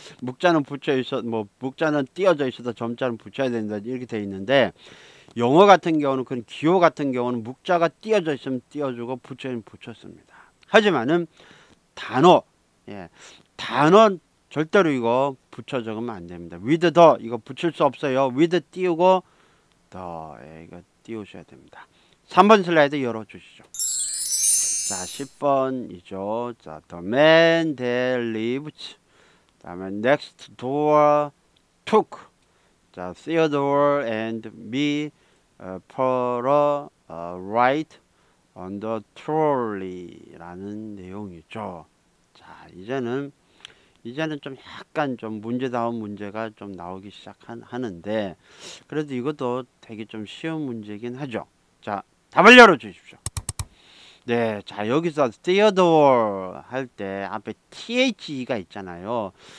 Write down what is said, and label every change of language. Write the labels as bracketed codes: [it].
[ko] 묵자는 붙여 있어, 뭐 묵자는 띄어져 있어도 점자는 붙여야 된다 이렇게 돼 있는데 영어 같은 경우는 그런 기호 같은 경우는 묵자가 띄어져 있으면 띄어주고 붙여면 붙였습니다. 하지만은 단어, 예, 단어 절대로 이거 붙여 적으면 안 됩니다. With the 이거 붙일 수 없어요. With 띄우고 the 예, 이거 띄우셔야 됩니다. 3번 슬라이드 열어 주시죠. 자, 10번이죠. [en] 자, the man that lives, [ko] 다음에 [en] next door took, 자, Theodore and me for a ride on the trolley [ko] 라는 내용이죠. 자, 이제는 좀 약간 좀 문제다운 문제가 좀 나오기 시작하는데, 그래도 이것도 되게 좀 쉬운 문제긴 하죠. 자, 답을 열어 주십시오. 네, 자, 여기서 Theodore 할때 앞에 THE가 있잖아요.